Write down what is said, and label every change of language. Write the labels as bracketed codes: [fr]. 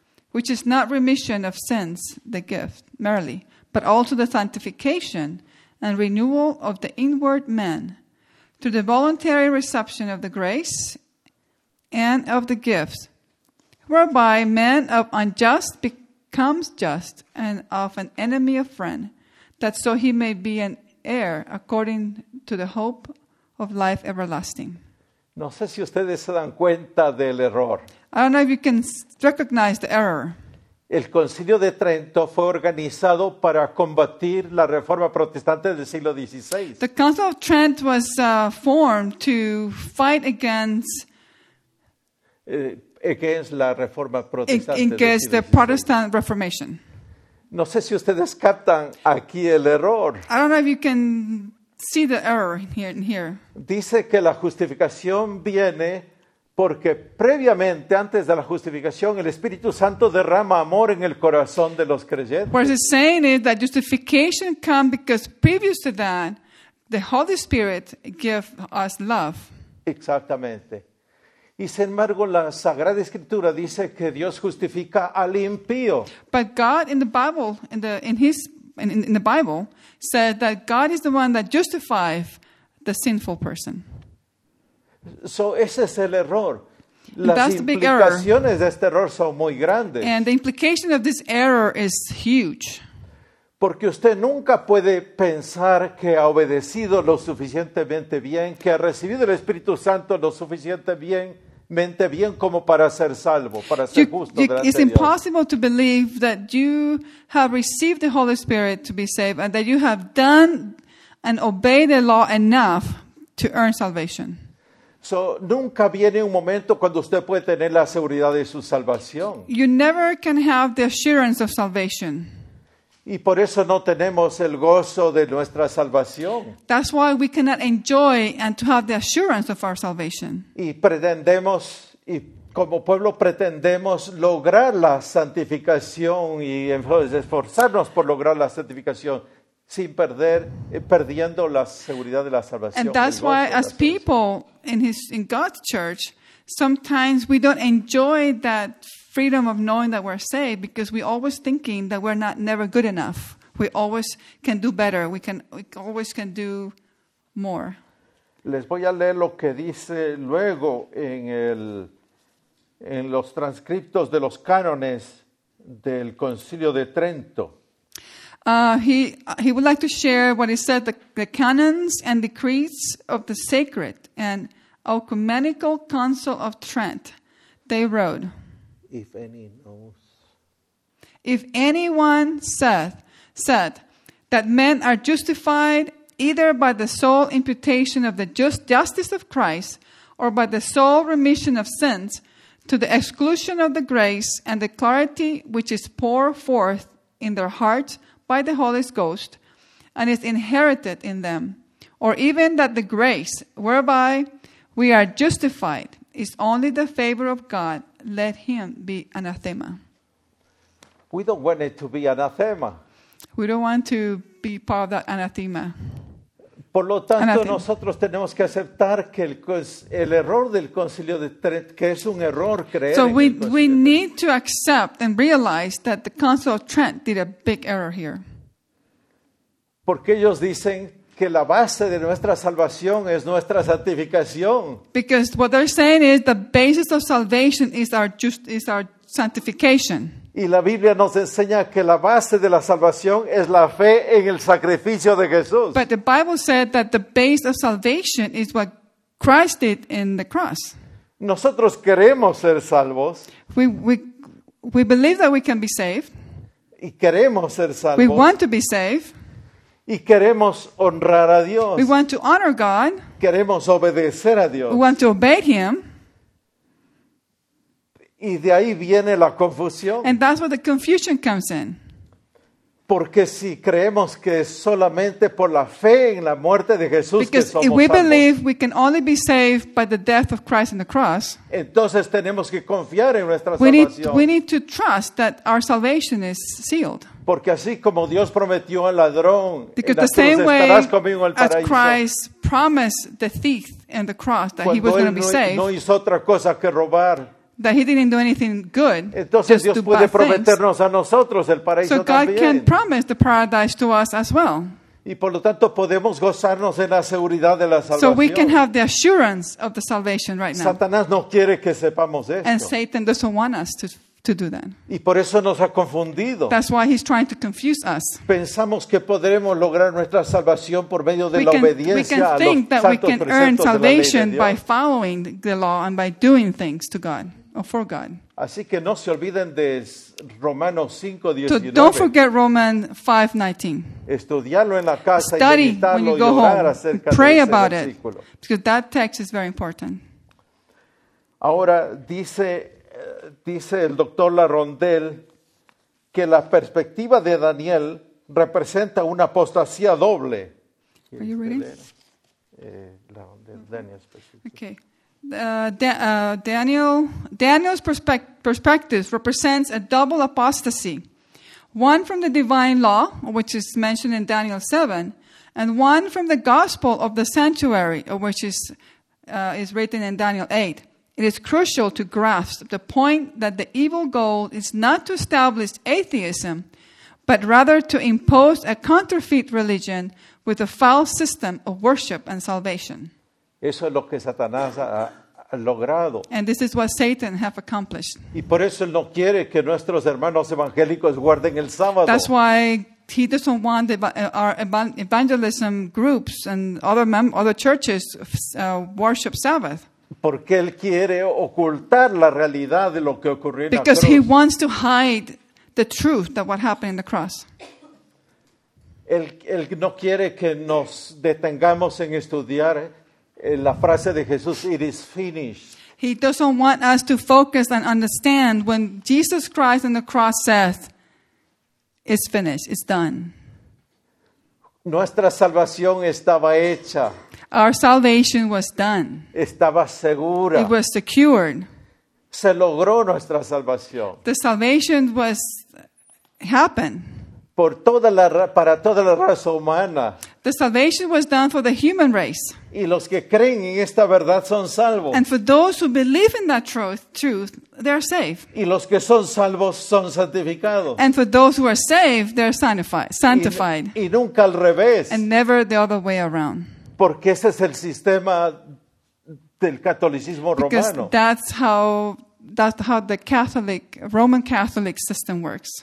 [en] Which is not remission of sins, the gift, merely, but also the sanctification and renewal of the inward man through the voluntary reception of the grace and of the gifts, whereby man of unjust becomes just and of an enemy a friend, that so he may be an heir according to the hope of life everlasting. [es] No sé si ustedes se dan cuenta del error. [en] I don't know if you can recognize the error. [es] El Concilio de Trento fue organizado para combatir la Reforma Protestante del siglo XVI. [en] The Council of Trent was formed to fight against [es] la Reforma Protestante. [en] Against the Protestant Reformation. [es] No sé si ustedes captan aquí el error. [en] I don't know if you can see the error here. [es] Dice que la justificación viene porque previamente, antes de la justificación, el Espíritu Santo derrama amor en el corazón de los creyentes. [en] What it's saying is that justification comes because previous to that, the Holy Spirit gives us love. [es] Exactamente. Y sin embargo, la Sagrada Escritura dice que Dios justifica al impío. [en] But God in the Bible, in the Bible, said that God is the one that justifies the sinful person. [es] So ese es el error. Las implicaciones de este error son muy grandes. [en] And the implication of this error is huge. [es] Porque usted nunca puede pensar que ha obedecido lo suficientemente bien, que ha recibido el Espíritu Santo lo suficientemente bien como para ser salvo, para ser justo delante de Dios. [en] It's impossible to believe that you have received the Holy Spirit to be saved and that you have done and obeyed the law enough to earn salvation. [es] So, nunca viene un momento cuando usted puede tener la seguridad de su salvación. [en] You never can have the assurance of salvation. [es] Y por eso no tenemos el gozo de nuestra salvación. [en] That's why we cannot enjoy and to have the assurance of our salvation. [es] Y como pueblo pretendemos lograr la santificación y esforzarnos por lograr la santificación. sin perder, perdiendo la seguridad de la salvación. [en] And that's why, as people in God's church, sometimes we don't enjoy that freedom of knowing that we're saved, because we're always thinking that we're not never good enough. We always can do better. We always can do more. [es] Les voy a leer lo que dice luego en los transcriptos de los cánones del Concilio de Trento. [en] He would like to share what he said, the canons and decrees of the Sacred and Ecumenical Council of Trent. They wrote, if any knows, if anyone said that men are justified either by the sole imputation of the justice of Christ or by the sole remission of sins, to the exclusion of the grace and the clarity which is poured forth in their hearts by the Holy Ghost and is inherited in them, or even that the grace whereby we are justified is only the favor of God, let him be anathema. We don't want it to be anathema. We don't want to be part of that anathema. [es] Por lo tanto, nosotros tenemos que aceptar que el error del Concilio de Trent, que es un error creer. [en] So we need to accept and realize that the Council of Trent did a big error here. [es] Porque ellos dicen que la base de nuestra salvación es nuestra santificación. [en] Because what they're saying is the basis of salvation is our sanctification. [es] Y la Biblia nos enseña que la base de la salvación es la fe en el sacrificio de Jesús. [en] But the Bible said that the base of salvation is what Christ did in the cross. [es] Nosotros queremos ser salvos. [en] We believe that we can be saved. [es] Y queremos ser salvos. [en] We want to be saved. [es] Y queremos honrar a Dios. [en] We want to honor God. [es] Queremos obedecer a Dios. [en] We want to obey Him. [es] Y de ahí viene la confusión. [en] And that's where the confusion comes in. [es] Porque si creemos que solamente por la fe en la muerte de Jesús que somos salvos. [en] Because if we believe we can only be saved by the death of Christ on the cross. [es] Entonces tenemos que confiar en nuestra salvación. [en] We need to trust that our salvation is sealed. [es] Porque así como Dios prometió al ladrón, [en] because the same way as Christ promised the thief in the cross that he was going to be saved. [es] No hizo otra cosa que robar. [en] That he didn't do anything good. [es] Entonces, [en] just [es] Dios [en] do [es] puede [en] bad [es] prometernos [en] things. [es] A nosotros el paraíso [en] so God [es] también. [en] Can promise the paradise to us as well. [es] Y por lo tanto podemos gozarnos en la seguridad de la salvación. [en] So we can have the assurance of the salvation right now. [es] Satanás no quiere que sepamos esto. [en] And Satan doesn't want us to do that. [es] Y por eso nos ha confundido. [en] That's why he's trying to confuse us. [es] Pensamos que podremos lograr nuestra salvación por medio de la obediencia a los santos preceptos de la ley de Dios. [en] We can think that we can earn salvation by following the law and by doing things to God or for God. [es] Así que no se olviden de Romanos 5:19. [en] So don't forget Romans 5:19. [es] Estudiarlo en la casa. [en] Study [es] y [en] when you go home. Pray about it. [es] Versículo. [en] Because that text is very important. [es] Ahora dice el doctor Larondel que la perspectiva de Daniel representa una apostasía doble. [en] Are you reading? Larondel, Daniel. Okay. Daniel's perspective represents a double apostasy, one from the divine law, which is mentioned in Daniel 7, and one from the gospel of the sanctuary, which is written in Daniel 8. It is crucial to grasp the point that the evil goal is not to establish atheism, but rather to impose a counterfeit religion with a foul system of worship and salvation. [es] Eso es lo que Satanás ha logrado. [en] And this is what Satan has accomplished. [es] Y por eso él no quiere que nuestros hermanos evangélicos guarden el sábado. [en] That's why he doesn't want our evangelism groups and other churches worship Sabbath. [es] Porque él quiere ocultar la realidad de lo que ocurrió en la cruz. [en] Because he wants to hide the truth that what happened in the cross. [es] Él no quiere que nos detengamos en estudiar la frase de Jesús, [en] it is finished. He doesn't want us to focus and understand when Jesus Christ on the cross says, it's finished, it's done. [es] Nuestra salvación estaba hecha. [en] Our salvation was done. [es] Estaba segura. [en] It was secured. [es] Se logró nuestra salvación. [en] The salvation happened. [es] por toda la, para toda la raza humana. [en] The salvation was done for the human race. [es] Y los que creen en esta verdad son salvos. [en] And for those who believe in that truth, they are safe. [es] Y los que son salvos son santificados. [en] And for those who are saved, they are sanctified. [es] Y nunca al revés. [en] And never the other way around. [es] Porque ese es el sistema del catolicismo romano. [en] Because that's how the Roman Catholic system works.